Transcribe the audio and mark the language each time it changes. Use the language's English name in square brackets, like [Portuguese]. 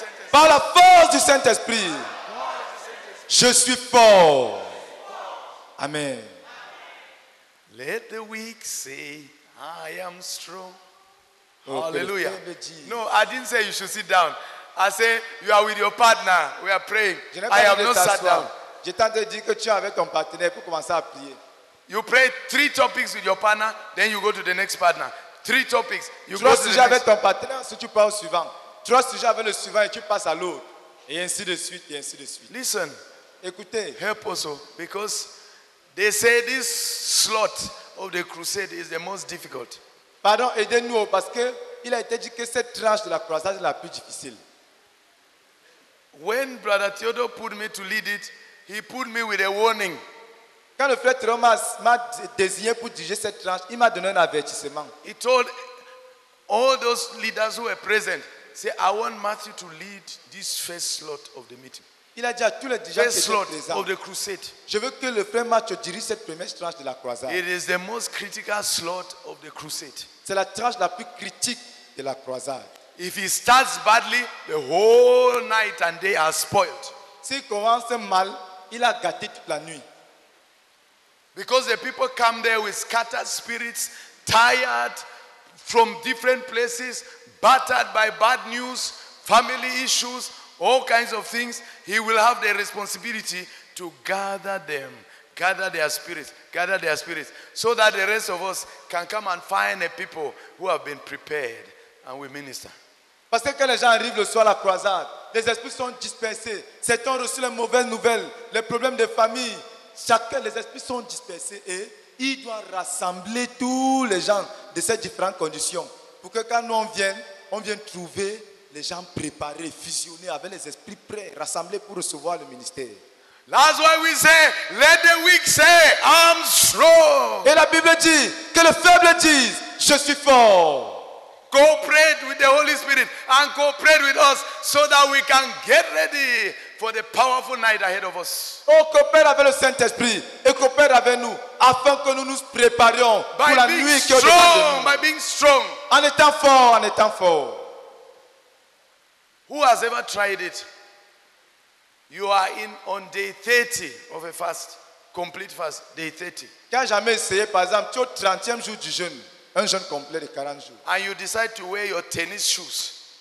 [French] Par la force du Saint-Esprit. Je suis fort. Amen. [English] Let the weak say, I am strong. Hallelujah. No, I didn't say you should sit down. I said you are with your partner. We are praying. I am not sat down. [French] Je t'ai dit que tu es avec ton partenaire pour commencer à prier. [English] You pray three topics with your partner, then you go to the next partner. Three topics. You go to the next partner. [French] Si tu pars au suivant. Trois sujets avec le suivant et tu passes à l'autre. Et ainsi de suite, et ainsi de suite. [English] Listen. [French] Écoutez. [English] Help also, because they say this slot of the crusade is the most difficult. [French] Pardon, aidez-nous parce que il a été dit que cette tranche de la croisade est la plus difficile. [English] When Brother Theodore put me to lead it, he put me with a warning. [French] Quand le frère Thomas m'a désigné pour diriger cette tranche, il m'a donné un avertissement. [English] He told all those leaders who were present, say, I want Mathew to lead this first slot of the meeting. [French] Il a dit à tous les dirigeants qui étaient présents, [English] of the crusade. [French] Je veux que le frère Mathew dirige cette première tranche de la croisade. [English] It is the most critical slot of the crusade. [French] C'est la tranche la plus critique de la croisade. [English] If he starts badly, the whole night and day are spoiled. [French] S'il commence mal, il a gâté toute la nuit. [English] Because the people come there with scattered spirits, tired from different places, battered by bad news, family issues, all kinds of things, he will have the responsibility to gather them, gather their spirits, gather their spirits, so that the rest of us can come and find a people who have been prepared and we minister. [French] Parce que quand les gens arrivent le soir à la croisade, les esprits sont dispersés. Certains ont reçu les mauvaises nouvelles, les problèmes de famille. Chacun, les esprits sont dispersés et il doit rassembler tous les gens de ces différentes conditions pour que quand nous on vienne trouver les gens préparés, fusionnés, avec les esprits prêts, rassemblés pour recevoir le ministère. [English] That's why we say, let the weak say, I'm strong. [French] Et la Bible dit, que le faible dise, je suis fort. [English] Cooperate with the Holy Spirit and cooperate with us so that we can get ready for the powerful night ahead of us. [French] Oh, coopère avec le Saint-Esprit et coopère avec nous afin que nous nous préparions pour la nuit qui est devant nous. [English] By being strong, [French] en étant fort, en étant fort. [English] Who has ever tried it? You are in on day 30 of a fast, complete fast, day 30. [French] Qui a jamais essayé, par exemple, tu es au 30e jour du jeûne. Un jeûne complet de 40 jours. [English] And you decide to wear your tennis shoes.